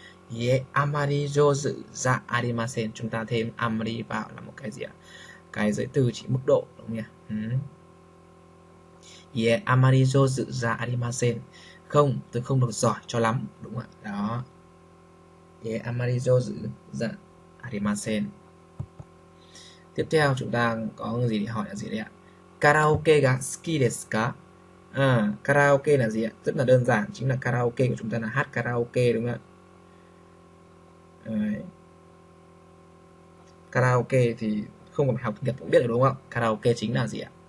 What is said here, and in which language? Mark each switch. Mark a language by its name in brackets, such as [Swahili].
[Japanese] Ie amari jozu ja arimasen. [Vietnamese] Chúng ta thêm amari vào là một cái gì ạ? Cái giới từ chỉ mức độ đúng không nhỉ? [Japanese] Ie amari jozu ja arimasen. [Vietnamese] Không, tôi không được giỏi cho lắm, đúng không ạ? Đó. [Japanese] え、あまり上手じゃありません。 [Vietnamese] tiếp theo chúng ta có gì để hỏi là gì đấy ạ? [Japanese] Karaoke ga suki desu ka? [Vietnamese] À, karaoke là gì ạ? Rất là đơn giản, chính là karaoke của chúng ta là hát karaoke đúng không ạ? Đấy. Karaoke thì không cần phải học nghiệp cũng biết được đúng không ạ? Karaoke chính là gì ạ?